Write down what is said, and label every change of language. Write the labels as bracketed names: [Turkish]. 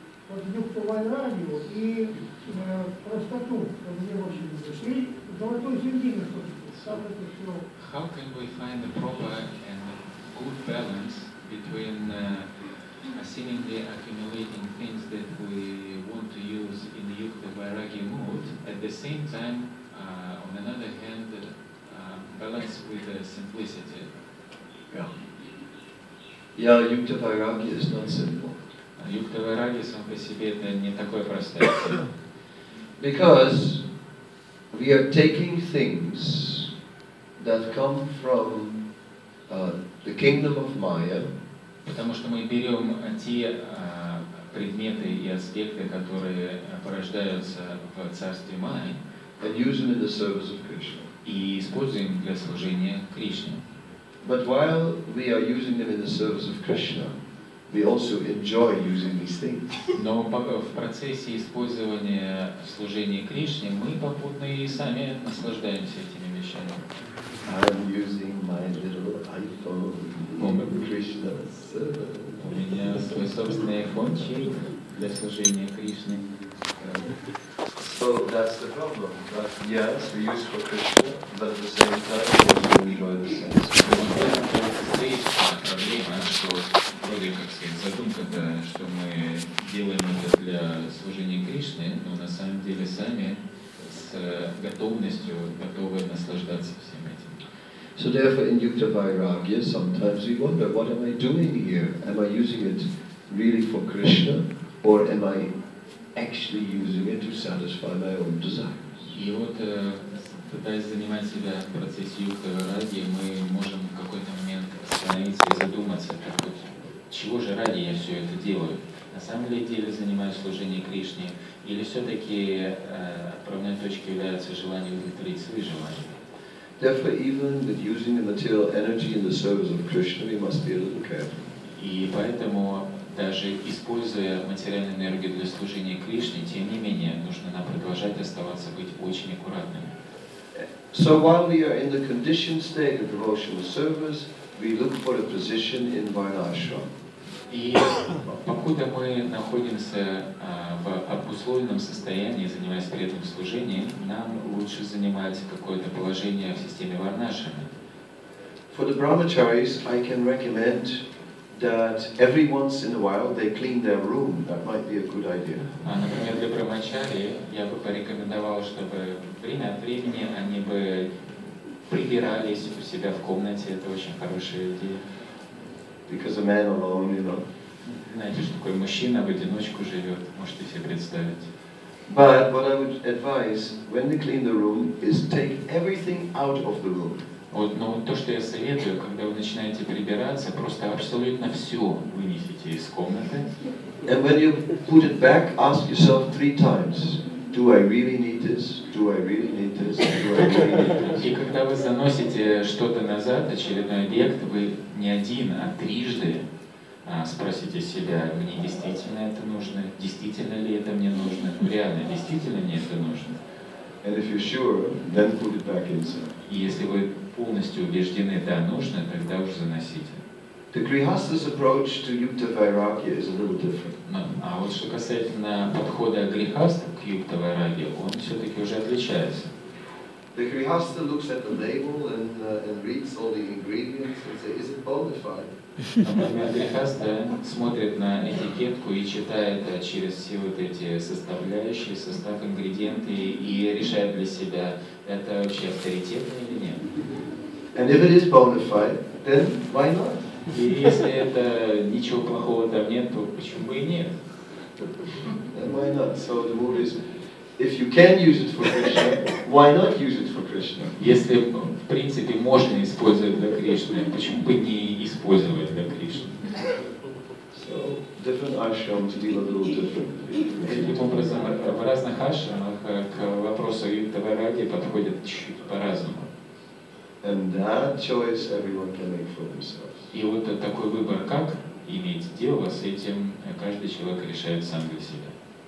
[Russian] Вот юкту вайраги и простоту, мне очень нравится. И золотую середину, собственно, сам это все. [English] How can we find the proper and good balance between seemingly accumulating things that we want to use in the yukta vairagya mood, at the same time, on another hand, balance with simplicity? Yeah, yukta vairagya is not simple. [Russian] Юкта вайрагья сам по себе это не такое простое. [English] Because we are taking things that come from the kingdom of Maya. [Russian] Потому что мы берем те предметы и аспекты, которые порождаются в царстве Майи, [English] and use them in the service of Krishna. [Russian] И используем для служения Кришне. [English] But while we are using them in the service of Krishna, we also enjoy using these things. [Russian] Но в процессе использования служения Кришне мы попутно и сами наслаждаемся этими вещами. [English] I'm using my little iPhone in Krishna's service. [Russian] У меня свой собственный iPhone-чик для служения Кришне. [English] So that's the problem. But yes, we use for Krishna, but at the same time, we also enjoy the sense. [Russian] Проблема, что вроде как сказать, задумка-то, что мы делаем это для служения Кришне, но на самом деле сами с готовностью готовы наслаждаться всем этим. [English] So therefore in Yukta Vairagya sometimes we wonder, what am I doing here? Am I using it really for Krishna or am I actually using it to satisfy my own desires? [Russian] И вот пытаясь занимать себя в процессе Юкта Вайрагья, мы можем в какой-то момент остановиться и задуматься, так вот, чего же ради я все это делаю? На самом деле занимаюсь служением Кришне? Или все-таки отправной точкой является желание удовлетворить свои желания? [English] Therefore, even with using the material energy in the service of Krishna, we must be a little careful. [Russian] И поэтому даже используя материальную энергию для служения Кришне, тем не менее нужно нам продолжать оставаться быть очень аккуратными. [English] So while we are in the conditioned state of devotional service, we look for a position in Vairashram. [Russian] И покуда мы находимся в обусловленном состоянии, занимаясь при этом служением, нам лучше занимать какое-то положение в системе Варнашрама. [English] For the brahmacharis, I can recommend that every once in a while they clean their room. That might be a good idea. [Russian] А, например, для брахмачари я бы порекомендовал, чтобы время от времени они бы прибирались у себя в комнате. Это очень хорошая идея. [English] Because a man alone, you know. [Russian] Знаете, что такое мужчина в одиночку живет? Можете себе представить. [English] But what I would advise, when they clean the room, is take everything out of the room. [Russian] Вот, но то, что я советую, когда вы начинаете прибираться, просто абсолютно все вынесите из комнаты. [English] And when you put it back, ask yourself three times. Do I really need this? Do I really need this? Do I really need this? [Russian] И когда вы заносите что-то назад, очередной объект, вы не один, а трижды спросите себя, мне действительно это нужно? Действительно ли это мне нужно? Реально, действительно мне это нужно? [English] And if you're sure, then put it back inside. [Russian] И если вы полностью убеждены, да, нужно, тогда уж заносите. [English] The Grihastha's approach to Yukta Vairagya is a little different. [Russian] Но, а вот что касательно подхода Грихастха к Юкта Вайрагья, он все-таки уже отличается. [English] The Grihastha looks at the label and reads all the ingredients and says, is it bona fide? [Russian] Например, Грихастха смотрит на этикетку и читает через все вот эти составляющие, состав, ингредиенты и решает для себя, это вообще авторитетно или нет. [English] And if it is bona fide, then why not? [Russian] И если это ничего плохого там нет, то почему бы и нет? [English] And why not? So the rule is, if you can use it for Krishna, why not use it for Krishna? [Russian] Если в принципе можно использовать для Кришны, почему бы не использовать для Кришны? [English] So different ashrams deal a little differently. [Russian] Таким образом, в разных ашрамах к вопросу Юкта Вайрагьи подходят чуть-чуть по-разному. [English] And that choice everyone can make for themselves. [Russian] И вот такой выбор, как иметь дело с этим, каждый человек решает сам для себя.